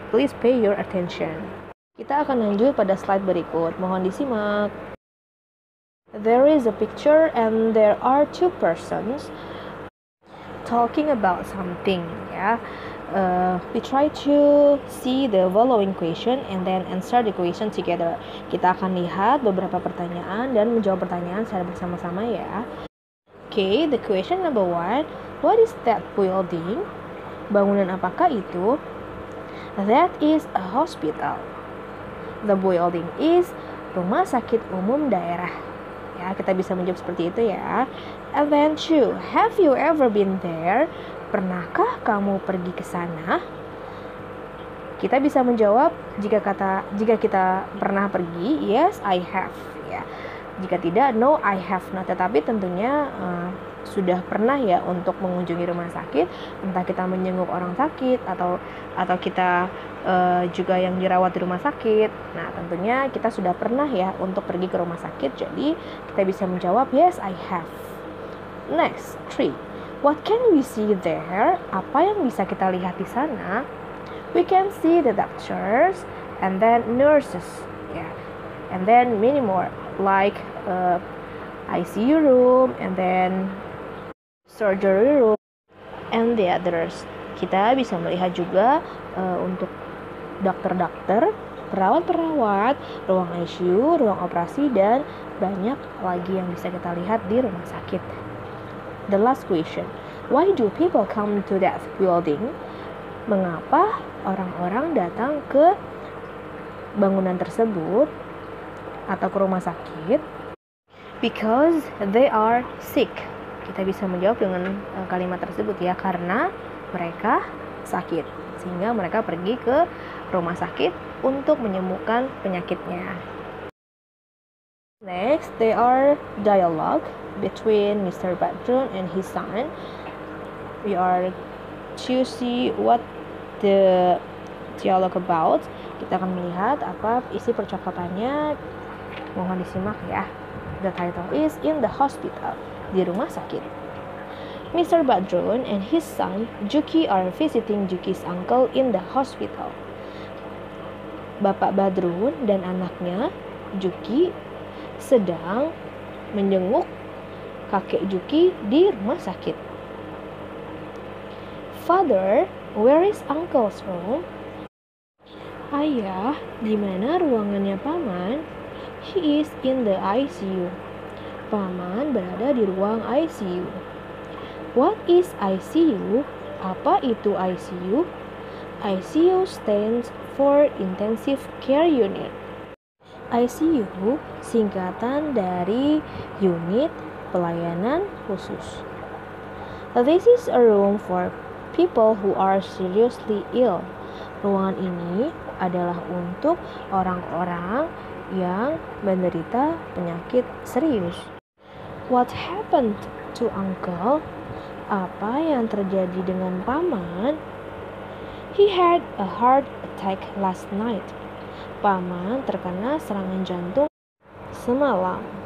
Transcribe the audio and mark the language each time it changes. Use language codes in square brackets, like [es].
[en] Please pay your attention. [id] Kita akan lanjut pada slide berikut. Mohon disimak. [en] There is a picture and there are two persons talking about something. Yeah, we try to see the following question and then answer the question together. [id] Kita akan lihat beberapa pertanyaan dan menjawab pertanyaan secara bersama-sama ya. [en] Okay, the question number one, what is that building? [id] Bangunan apakah itu? [en] That is a hospital. The building is [id] rumah sakit umum daerah. Ya, kita bisa menjawab seperti itu ya. [en] And then two, have you ever been there? [id] Pernahkah kamu pergi ke sana? Kita bisa menjawab jika kita pernah pergi, [en] yes, I have. [id] Ya. Jika tidak, [en] no, I have not. [id] Tetapi tentunya sudah pernah ya untuk mengunjungi rumah sakit, entah kita menjenguk orang sakit atau kita juga yang dirawat di rumah sakit. Nah, tentunya kita sudah pernah ya untuk pergi ke rumah sakit. Jadi, kita bisa menjawab [en] yes, I have. Next, three. What can we see there? [id] Apa yang bisa kita lihat di sana? [en] We can see the doctors and then nurses. Yeah. And then many more like ICU room and then surgery room and the others. [id] Kita bisa melihat juga untuk dokter-dokter, perawat-perawat, ruang ICU, ruang operasi, dan banyak lagi yang bisa kita lihat di rumah sakit. [en] The last question. Why do people come to that building? [id] Mengapa orang-orang datang ke bangunan tersebut atau ke rumah sakit? [en] Because they are sick. [id] Kita bisa menjawab dengan kalimat tersebut ya, karena mereka sakit. Sehingga mereka pergi ke rumah sakit untuk menyembuhkan penyakitnya. [en] Next, there are dialogue between Mr. Badrun and his son. We are to see what the dialogue about. [id] Kita akan melihat apa isi percakapannya. Mohon disimak ya. [en] The title is In the Hospital, [id] di rumah sakit. Mr. [en] Badrun and his son, Juki, are visiting Juki's uncle in the hospital. [id] Bapak Badrun dan anaknya, Juki, sedang menjenguk kakek Juki di rumah sakit. [en] Father, where is uncle's room? [id] Ayah, di mana ruangannya paman? [en] He is in the ICU. [id] Paman berada di ruang ICU. [en] What is ICU? [id] Apa itu ICU? [en] ICU stands for Intensive Care Unit. [id] ICU singkatan dari unit pelayanan khusus. [en] This is a room for people who are seriously ill. [id] Ruangan ini adalah untuk orang-orang yang menderita penyakit serius. [en] What happened to uncle? [id] Apa yang terjadi dengan paman? [en] He had a heart attack last night. [id] Paman terkena serangan jantung semalam.